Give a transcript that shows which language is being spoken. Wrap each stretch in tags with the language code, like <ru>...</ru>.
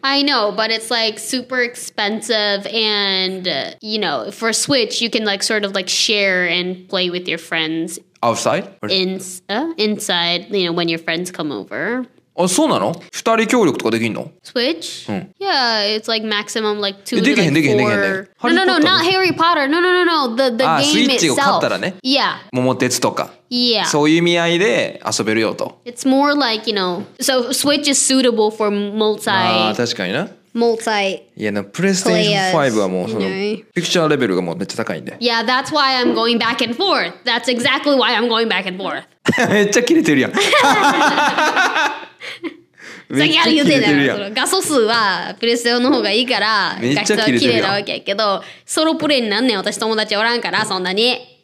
<en>I know, but it's like super expensive and, you know, for Switch you can like sort of like share and play with your friends. Outside? Inside, you know, when your friends come over.</en> <ja>あ、そうなの？二人協力とかできんの？</ja> <en>Switch? Yeah, it's like maximum like two to like four.</en> <ja>できへん、できへん、できへん。</ja> <en>No, not Harry Potter. No. The game itself.</en> <ja>あ、スイッチを買ったらね。</ja> <en>Yeah.</en> <ja>桃鉄とか。</ja> <en>Yeah.</en> <ja>そういう意味合いで遊べるよと。</ja> <en>It's more like, you know, so Switch is suitable for multi...</en> <ja>あ、確かにな。</ja> <en>Multi...</en> <ja>いや、PlayStation 5はもうその、ピクチャーレベルがもうめっちゃ高いんで。</ja> <en>Yeah, that's why I'm going back and forth. That's exactly why I'm going back and forth.</en> <ja>めっちゃ切れてるやん。めっちゃ切れてるやん。さっきあれ言ってたよ。画素数はプレステ用の方がいいから画質は綺麗なわけやけど、ソロプレイになんねん、私友達おらんからそんなに。</ja>